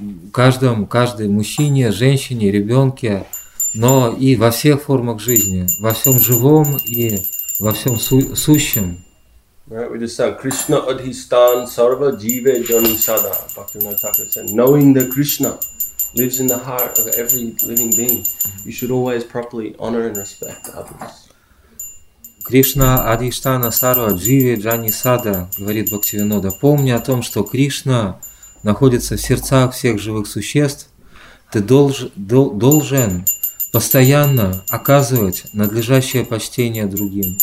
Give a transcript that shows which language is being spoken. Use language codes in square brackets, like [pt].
[ru] каждой мужчине, женщине, ребенке, но и во всех формах жизни, во всем живом и во всем сущем. [en] Right, we just said [sa] Krishna Adhistan Sarva Jive Jani Sada. [en] Bhaktivinoda Thakura said, knowing the Krishna lives in the heart of every living being, you should always properly honor and respect others. [sa] Кришна Адиштана Сарва Дживи Джани Сада, [ru] говорит Бхактивинода, помни о том, что Кришна находится в сердцах всех живых существ, ты должен постоянно оказывать надлежащее почтение другим.